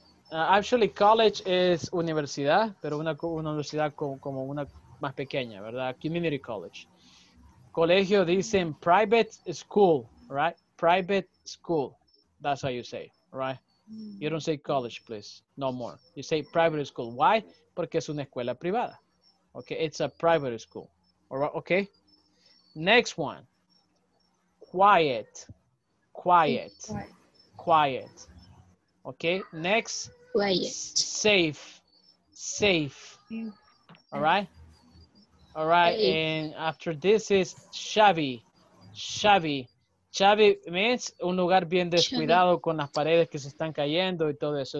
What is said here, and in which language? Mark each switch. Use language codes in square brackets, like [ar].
[en] Actually, college is [es] universidad, pero una universidad como una más pequeña, ¿verdad? [en] Community college. [es] Colegio dicen [en] private school, right? Private school. That's how you say, right? You don't say college, please. No more. You say private school. Why? [es] Porque es una escuela privada. [en] Okay, it's a private school. All right, okay. Next one. Quiet. Quiet. Quiet. Okay, next. Quiet. Safe. Safe. All right? All right, and after this is shabby. Shabby. Shabby means [es] un lugar bien descuidado con las paredes que se están cayendo y todo eso.